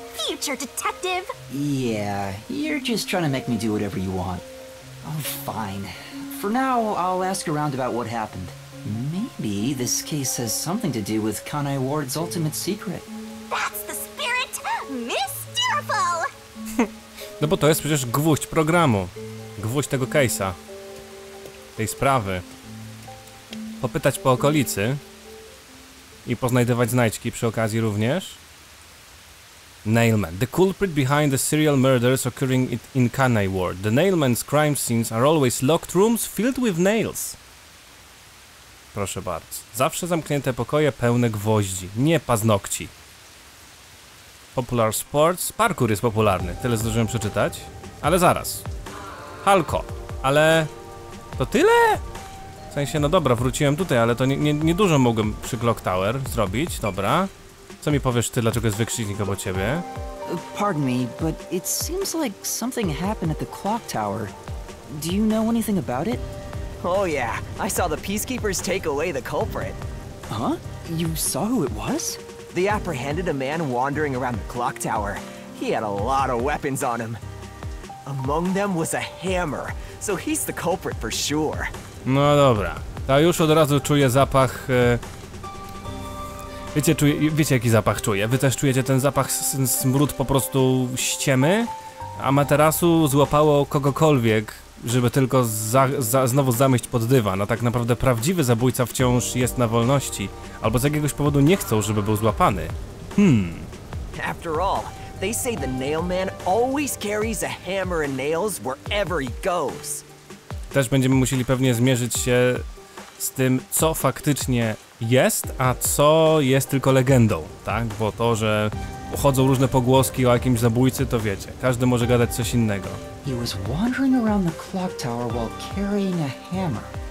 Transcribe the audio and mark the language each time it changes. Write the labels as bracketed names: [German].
[English] Future detective! Yeah, you're just trying to make me do whatever you want. Oh, fine. For now, I'll ask around about what happened. Maybe this case has something to do with Kanai Ward's ultimate secret. That's the spirit! Mysterful! [Polish] No bo to jest przecież gwóźdź programu. Gwóźdź tego case'a. Tej sprawy. Popytać po okolicy. I poznajdywać znajdźki przy okazji również. [English] Nailman. The culprit behind the serial murders occurring in Kanai Ward. The nailman's crime scenes are always locked rooms filled with nails. [Polish] Proszę bardzo. Zawsze zamknięte pokoje pełne gwoździ, nie paznokci. [English] Popular sports. [Polish] Parkour jest popularny. Tyle zdążyłem przeczytać. Ale zaraz. Halko. Ale... to tyle? W sensie, no dobra, wróciłem tutaj, ale to nie dużo mogłem przy Clock Tower zrobić. Dobra. Co mi powiesz ty, dlaczego jest wykrzyknik obok ciebie? [English] Pardon me, but it seems like something happened at the clock tower. Do you know anything about it? Oh yeah, I saw the peacekeepers take away the culprit. Huh? You saw who it was? They apprehended a man wandering around the clock tower. He had a lot of weapons on him. Among them was a hammer, so he's the culprit for sure. [Polish] No dobra. Ja już od razu czuję zapach... Wiecie, wiecie jaki zapach czuję? Wy też czujecie ten zapach, smród po prostu ściemy? Amaterasu złapało kogokolwiek, żeby tylko znowu zamieść pod dywan, a tak naprawdę prawdziwy zabójca wciąż jest na wolności, albo z jakiegoś powodu nie chcą, żeby był złapany. [English] After all, they say the nailman always carries a hammer and nails wherever he goes. [Polish] Też będziemy musieli pewnie zmierzyć się z tym, co faktycznie jest, a co jest tylko legendą, tak? Bo to, że chodzą różne pogłoski o jakimś zabójcy, to wiecie, każdy może gadać coś innego. [English] He was wandering around the clock tower while carrying a hammer.